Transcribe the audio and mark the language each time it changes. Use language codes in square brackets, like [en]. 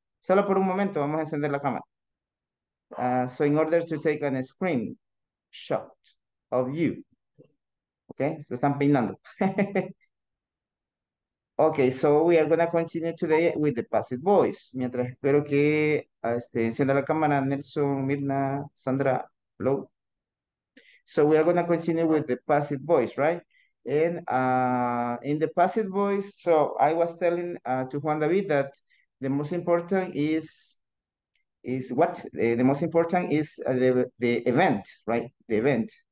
[es] Solo por un momento, vamos a encender la cámara. [en] So in order to take a screen shot of you. [es] Okay, se están peinando. [en] Okay, so we are going to continue today with the passive voice. [es] Mientras espero que encienda la cámara, Nelson, Mirna, Sandra, hello. [en] So we are going to continue with the passive voice, right? And in the passive voice, so I was telling to Juan David that the most important is what? The most important is the event, right? The event.